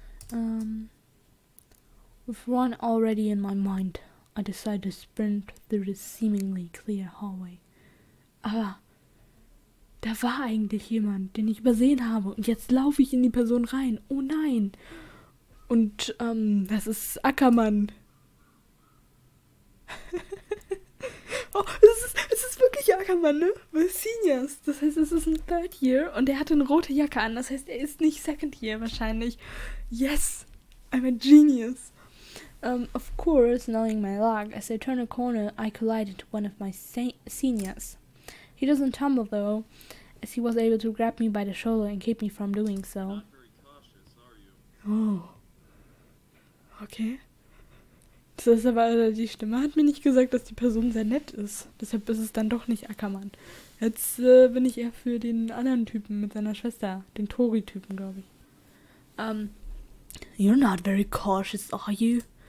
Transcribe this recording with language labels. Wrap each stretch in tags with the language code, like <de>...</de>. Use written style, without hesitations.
<en>With one already in my mind, I decided to sprint through the seemingly clear hallway.</en> <de>Aber da war eigentlich jemand, den ich übersehen habe. Und jetzt laufe ich in die Person rein. Oh nein. Und das ist Ackermann. Oh, es ist wirklich Ackermann, ne? Weil Seniors. Das heißt, es ist ein Third Year und er hat eine rote Jacke an. Das heißt, er ist nicht Second Year wahrscheinlich.</de> <en>Yes, I'm a genius. Of course, knowing my luck, as I turn a corner, I collided to one of my seniors. He doesn't tumble, though, as he was able to grab me by the shoulder and keep me from doing so. Not very cautious, are you? Oh. Okay.</en> <de>Das ist aber, die Stimme hat mir nicht gesagt, dass die Person sehr nett ist. Deshalb ist es dann doch nicht Ackermann. Jetzt bin ich eher für den anderen Typen mit seiner Schwester. Den Tori-Typen, glaube ich.</de> <en>You're not very cautious, are you?</en>